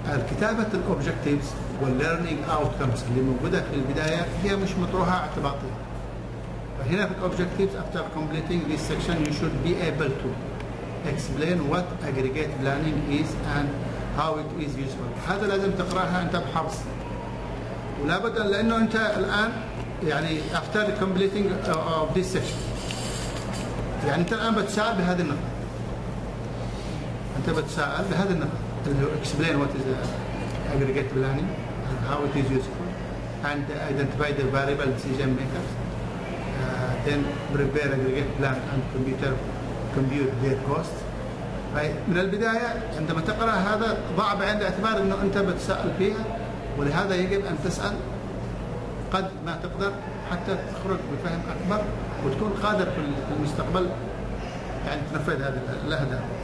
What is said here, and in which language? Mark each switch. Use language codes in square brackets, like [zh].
[ar] كتابة الأوبجكتيفز والليرنينج أوتكمز اللي موجودة في البداية هي مش مطروحة اعتباطية. فهنا في الأوبجكتيفز [en] after completing this section you should be able to explain what aggregate planning is and how it is useful. [ar] هذا لازم تقرأها أنت بحفظ. ولابد لأنه أنت الآن يعني [en] after completing of this section. [ar] يعني أنت الآن بتساءل بهذه النقطة. أنت بتساءل بهذه النقطة. [en] Explain what is the aggregate planning and how it is useful, and identify the variable decision makers. Then prepare aggregate plan and compute their costs. [ar] من البداية عندما تقرأ هذا ضع بعين الاعتبار إنه أنت بتسأل فيها، ولهذا يجب أن تسأل قد ما تقدر حتى تخرج بفهم أكبر وتكون قادر في المستقبل يعني تنفذ هذه الأهداف.